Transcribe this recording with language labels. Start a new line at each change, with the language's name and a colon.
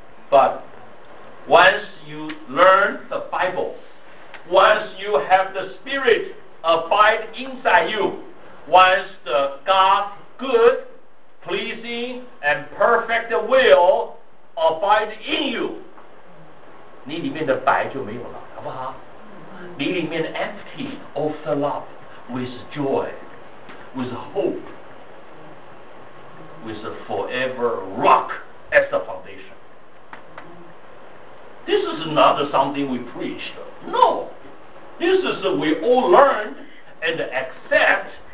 English: But once you learn the Bible, once you have the Spirit abide inside you, once the GodGood, pleasing, and perfect will abide in you.
Chinese: 你里面的白就没有了，好不好？你里面的
English: empty, all fill up with joy, with hope, with a forever rock as the foundation. This is not something we preach. No. This is what we all learn and accept.